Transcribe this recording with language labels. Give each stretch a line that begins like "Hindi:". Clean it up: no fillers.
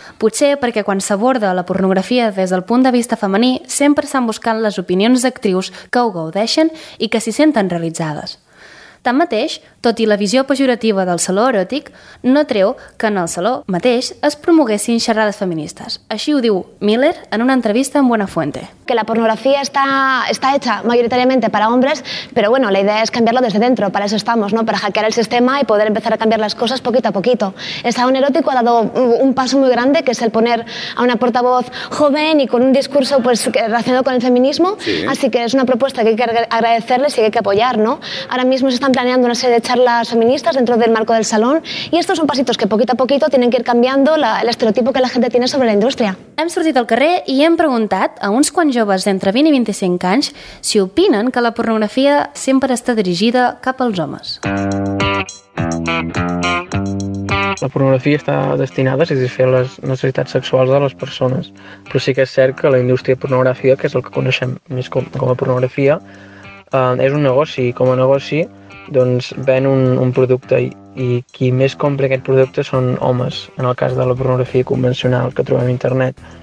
Catalan: Potser perquè quan s'aborda la pornografia des del punt de vista femení sempre s'han buscat les opinions d'actrius que ho gaudeixen i que s'hi senten realitzades. Tanmateix, tot i la visió pejorativa del saló eròtic, no treu que en el saló mateix es promoguessin xerrades feministes. Així ho diu Miller en una entrevista amb Buenafuente.
Spanish: Que la pornografia està hecha mayoritariamente para hombres, pero bueno, la idea es cambiarlo desde dentro, para eso estamos, ¿no? Para hackear el sistema y poder empezar a cambiar las cosas poquito a poquito. El salón erótico ha dado un paso muy grande, que es el poner a una portavoz joven y con un discurso pues, relacionado con el feminismo, sí. Así que es una propuesta que hay que agradecerles y hay que apoyar, ¿no? Ahora mismo se están planeando una serie de charlas feministas dentro del marco del salón y estos son pasitos que poquito a poquito tienen que ir cambiando el estereotipo que la gente tiene sobre la industria.
Catalan: Hem sortit al carrer i hem preguntat a uns quants joves d'entre 20 i 25 anys si opinen que la pornografia sempre està dirigida cap als homes. La pornografia està destinada a satisfer les necessitats sexuals de les persones, però sí que és cert que la indústria pornogràfica, que és el que coneixem més com a pornografia, és un negoci, i com a negoci doncs ven un producte i qui més compra aquest producte són homes, en el cas de la pornografia convencional que trobem a internet.